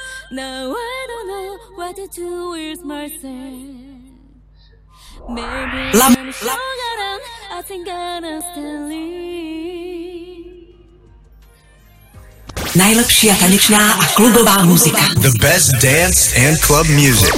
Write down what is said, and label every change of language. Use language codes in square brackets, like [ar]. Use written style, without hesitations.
[en] Now I don't know what to do with myself. Maybe I'm stronger than I think I'm still leave. [sk] Najlepšia tanečná a klubová muzika. [en] The best dance and club music.